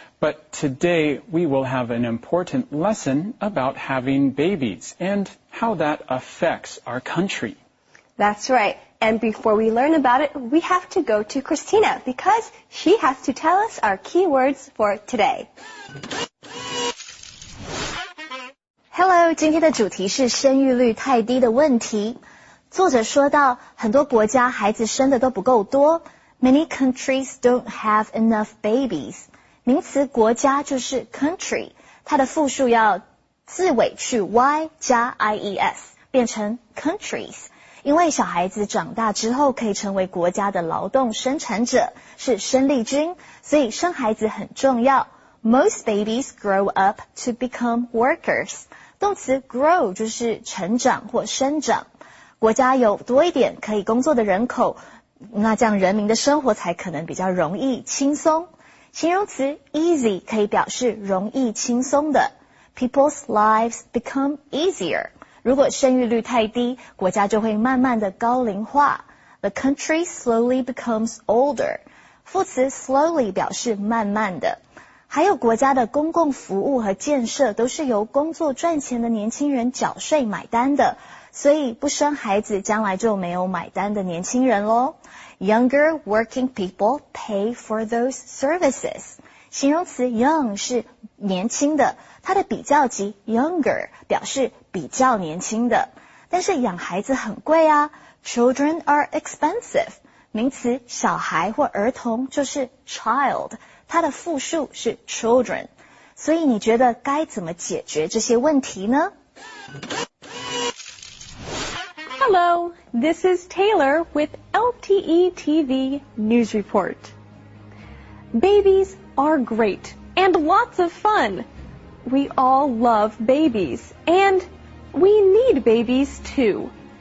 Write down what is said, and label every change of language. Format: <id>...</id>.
<en>But today we will have an important lesson about having babies and how that affects our country. That's right. And before we learn about it, we have to go to Christina because she has to tell us our keywords for today.</en> <zh>Hello, 今天的主题是生育率太低的问题。作者说到，很多国家孩子生的都不够多。</zh> <en>Many countries don't have enough babies.</en> <zh>名词国家就是 country, 它的复数要字尾去 y 加 ies, 变成 countries。因为小孩子长大之后可以成为国家的劳动生产者，是生力军，所以生孩子很重要。</zh> <en>Most babies grow up to become workers.</en> <zh>动词 grow 就是成长或生长。国家有多一点可以工作的人口，那这样人民的生活才可能比较容易轻松。形容词 easy 可以表示容易轻松的。</zh> <en>People's lives become easier.</en> <zh>如果生育率太低，国家就会慢慢的高龄化。</zh> <en>The country slowly becomes older.</en> <zh>副词 slowly 表示慢慢的。还有国家的公共服务和建设都是由工作赚钱的年轻人缴税买单的。所以不生孩子将来就没有买单的年轻人咯。</zh> <en>Younger working people pay for those services.</en> <zh>形容词 young 是年轻的，它的比较级 younger 表示比较年轻的。但是养孩子很贵啊，</zh> <en>children are expensive.</en> <zh>名词小孩或儿童就是 child, 它的复数是 children. 所以你觉得该怎么解决这些问题呢？</zh> <en>Hello, this is Taylor with LTE TV News Report. Babies are great and lots of fun. We all love babies and we need babies too.</en>